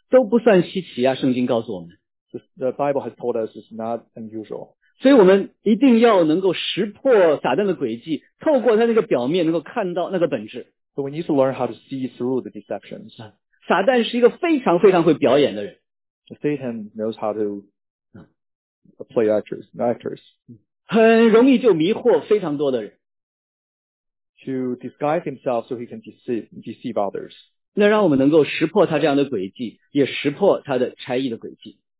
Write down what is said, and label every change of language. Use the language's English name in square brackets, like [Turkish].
[Chinese] 都不算稀奇啊，圣经告诉我们。 [English] The Bible has told us it's not unusual. [Chinese] 所以我们一定要能够识破撒旦的诡计，透过他那个表面能够看到那个本质。 [English] So we need to learn how to see through the deceptions. [Chinese] 撒旦是一个非常非常会表演的人。 [English] The Satan knows how to play actors. [Chinese] 很容易就迷惑非常多的人。 [English] To disguise himself so he can deceive others. [Chinese] 那让我们能够识破他这样的诡计，也识破他的差役的诡计。